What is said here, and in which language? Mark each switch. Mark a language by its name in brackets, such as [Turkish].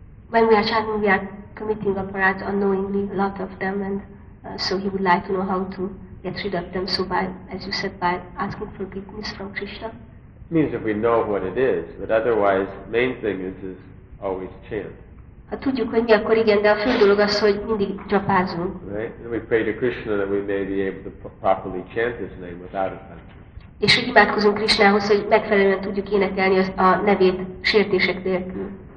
[English] When we are chanting, we are committing aparat unknowingly, a lot of them, and so he would like to know how to get rid of them, so by, as you said, by asking forgiveness from Krishna. Means if we know what it is, but otherwise, main thing is always chant. [Hungarian] Ha tudjuk, hogy mi, akkor igen, de a fő dolog az, hogy mindig japázunk. [English] Right? And we pray to Krishna that we may be able to properly chant his name without offense. [Hungarian] És hogy imádkozunk Krishnához, hogy megfelelően tudjuk énekelni a nevét sértések nélkül.